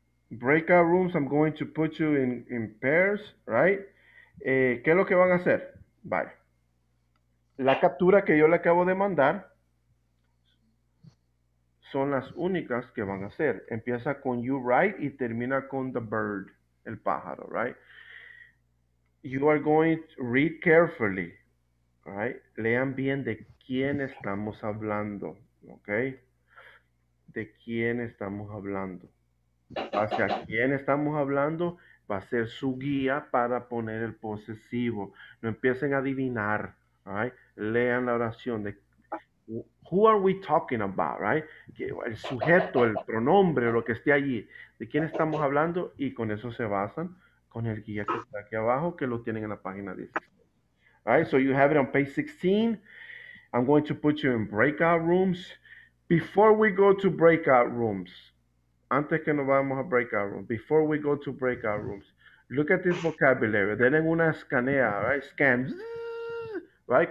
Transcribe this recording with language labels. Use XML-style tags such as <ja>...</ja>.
<en>Breakout rooms, I'm going to put you in pairs, right?</en> <es>¿Qué es lo que van a hacer? Vale. La captura que yo le acabo de mandar son las únicas que van a hacer. Empieza con</es> <en>you,</en> <es>right, y termina con</es> <en>the bird,</en> <es>el pájaro, right?</es> <en>You are going to read carefully, right?</en> <es>Lean bien de quién estamos hablando, ok? De quién estamos hablando. Hacia quién estamos hablando va a ser su guía para poner el posesivo. No empiecen a adivinar, right? Lean la oración de</es> <en>who are we talking about,</en> <es>right? El sujeto, el pronombre, lo que esté allí. De quién estamos hablando y con eso se basan con el guía que está aquí abajo que lo tienen en la página 16.</es> <en>All right, so you have it on page 16. I'm going to put you in breakout rooms. Before we go to breakout rooms,</en> <es>antes que nos vamos a breakout rooms,</es> <en>before we go to breakout rooms, look at this vocabulary.</en> <es>Tienen una escanea, right?</es> <en>Scan,</en> <es>right?</es>